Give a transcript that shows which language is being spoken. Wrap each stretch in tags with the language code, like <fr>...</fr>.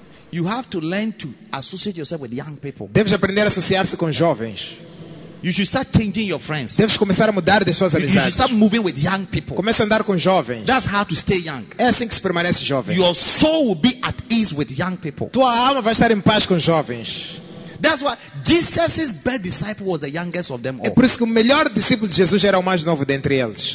<en>You have to learn to associate yourself with young people.</en> <pt>Deves aprender a associar-se com jovens.</pt> <en>You should start changing your friends.</en> <pt>Deves começar a mudar de suas amizades.</pt> <en>You should start moving with young people.</en> <pt>Começa a andar com jovens.</pt> <en>That's how to stay young.</en> <pt>É assim que se permanece jovem.</pt> <en>Your soul will be at ease with young people.</en> <pt>Tua alma vai estar em paz com jovens.</pt> <en>That's why Jesus's best disciple was the youngest of them all.</en> <pt>É por isso que o melhor discípulo de Jesus era o mais novo dentre eles.</pt>